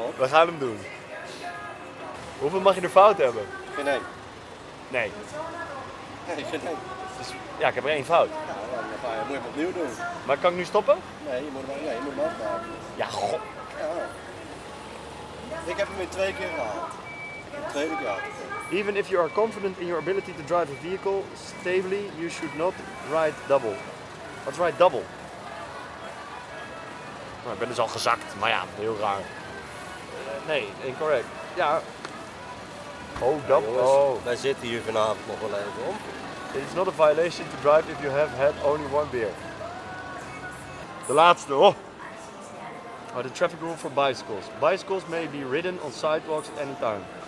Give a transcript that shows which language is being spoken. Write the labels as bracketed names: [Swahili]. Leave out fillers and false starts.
[Dutch] we gaan hem doen. Hoeveel mag je er fout hebben? Geen één. Nee. Nee, geen één. Dus, ja, ik heb er één fout. Ja, dan ga je, moet je hem opnieuw doen. Maar kan ik nu stoppen? Nee, je moet hem afmaken. Ja, god. Ja. Ik heb hem weer 2 keer gehaald. Een tweede keer. [English] Even if you are confident in your ability to drive a vehicle stably, you should not ride double. [Dutch] Wat is ride double? Nou, ik ben dus al gezakt, maar ja, heel raar. Nee, incorrect. Ja. Oh, dat. Ja, oh. Wij zitten hier vanavond nog wel even om. [English] It is not a violation to drive if you have had only one beer. [Dutch] De laatste, oh. [English] Are the traffic rule for bicycles. Bicycles may be ridden on sidewalks at any time.